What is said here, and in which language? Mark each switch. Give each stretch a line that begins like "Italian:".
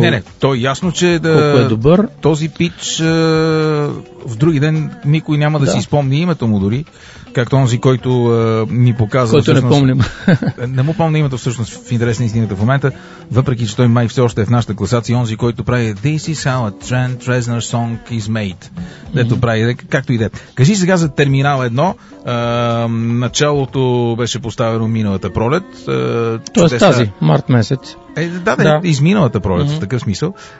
Bulgarian: Не, то е ясно, че да, колко е добър. Този пич в други ден никой няма да си спомни името му дори, както онзи, който ни показва... Който всъщност, не помним. Не му помня името всъщност в интерес на истината в момента, въпреки че той май все още е в нашата класация. Онзи, който прави
English: This is how a Trent Reznor song is made.
Bulgarian: Mm-hmm. Дето прави, както иде. Кажи сега за терминал 1. Началото беше поставено миналата пролет. Тоест чудеса... тази, март месец. Да. Изминалата пролет, mm-hmm. в такъв смисъл.